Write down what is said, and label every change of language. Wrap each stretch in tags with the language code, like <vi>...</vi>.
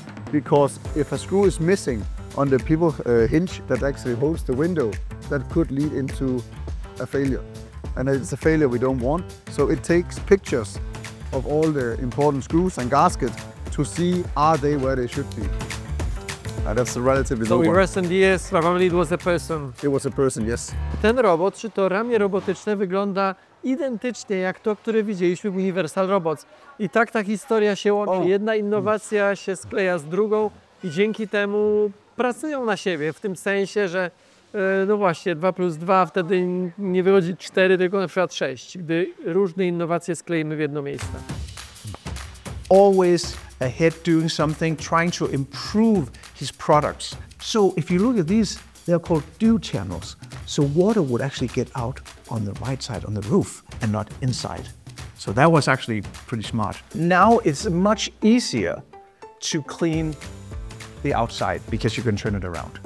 <en>Because if a screw is missing on the pivot hinge that actually holds the window, that could lead into a failure. And it's a failure we don't want. So it takes pictures of all the important screws and gaskets to see, are they where they should be? And that's a relatively low one. So in recent years, probably it was a person. It was a person, yes.</en> <pl>Ten robot, czy to ramię robotyczne, wygląda identycznie jak to, które widzieliśmy w Universal Robots. I tak ta historia się łączy. Jedna innowacja się skleja z drugą i dzięki temu pracują na siebie, w tym sensie, że no właśnie, 2 plus 2 wtedy nie wychodzi 4, tylko na przykład 6, gdy różne innowacje skleimy w jedno miejsce.</pl> <en>Always ahead doing something, trying to improve his products. So if you look at these, they're called dew channels. So water would actually get out on the right side, on the roof, and not inside. So that was actually pretty smart. Now it's much easier to clean the outside because you can turn it around.</en>